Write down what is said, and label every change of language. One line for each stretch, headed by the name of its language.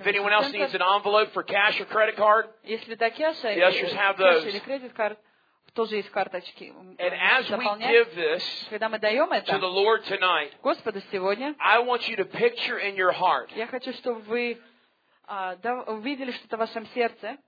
English: If anyone else needs an envelope for cash or credit card,
Russian: если это кэш,
English: the ushers have those.
Russian: Кэш или кредит карт, тоже есть карточки.
English: And as we give this to the Lord tonight,
Russian: Господу сегодня,
English: I want you to picture in your heart,
Russian: я хочу, чтобы вы увидели что-то в вашем сердце,